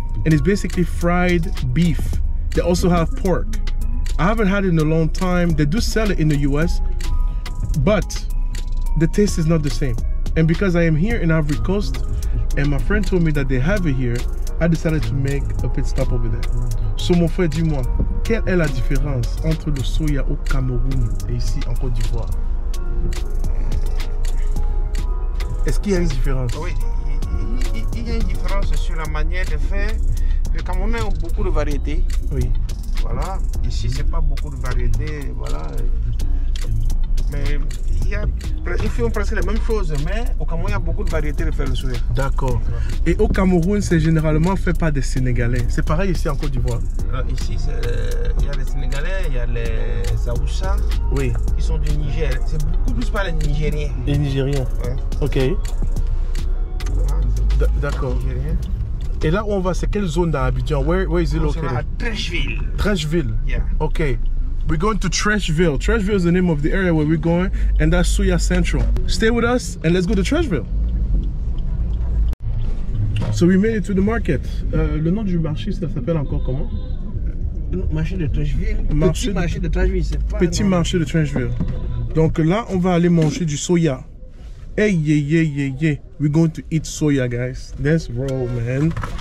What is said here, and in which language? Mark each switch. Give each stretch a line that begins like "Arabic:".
English: And it's basically fried beef. They also have pork. I haven't had it in a long time. They do sell it in the US, but the taste is not the same. And because I am here in Ivory Coast and my friend told me that they have it here, I decided to make a pit stop over there.
French: So mon frère, dis-moi, quelle est la différence entre le soya au Cameroun et ici en Côte d'Ivoire? Est-ce qu'il y a une différence? Oui, il y a une différence sur la manière de faire. Le Cameroun a beaucoup de variétés. Oui. Voilà, ici c'est pas beaucoup de variétés, voilà. Mais ils font presque la même chose, mais au Cameroun il y a beaucoup de variétés de faire le soya. D'accord. Et au Cameroun c'est généralement fait par des Sénégalais. C'est pareil ici en Côte d'Ivoire. Alors ici il y a les Sénégalais, il y a les Haoussa. Oui. Ils sont du Niger. C'est beaucoup plus par les Nigériens. Les Nigériens. Ouais. Ok. D'accord. Et là où on va, c'est quelle zone dans Abidjan?
English: Where is it located?
French: À Trècheville. Trècheville?
English: Yeah. Okay. We're going to Trècheville. Trècheville is the name of the area where we're going, and that's Suya Central. Stay with us and let's go to Trècheville. So we made it to the market.
French: Le nom du marché, ça s'appelle encore comment? Marché de Trècheville. Petit marché de Trècheville, c'est pas. Petit marché de Trècheville. Donc là, on va aller manger du soya.
English: Hey, yeah, yeah, yeah, yeah. We're going to eat soya, guys. Let's roll, man.